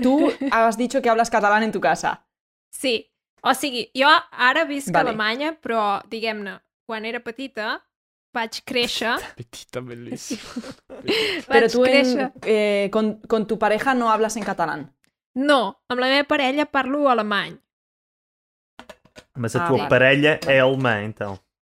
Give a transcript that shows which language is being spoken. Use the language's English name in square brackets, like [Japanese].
[Spanish] Tu has dicho que hablas catalán en tu casa. Sí. [Catalan] O sigui, jo ara visc a Alemanya, però, diguem-ne, quan era petita, vaig créixer. [Italian] Petita, bellissima. [Spanish] Però tu, con tu pareja, no hablas en catalán. [Catalan] No, amb la meva parella parlo alemany. [Portuguese] Mas a tua parella és alemã, então.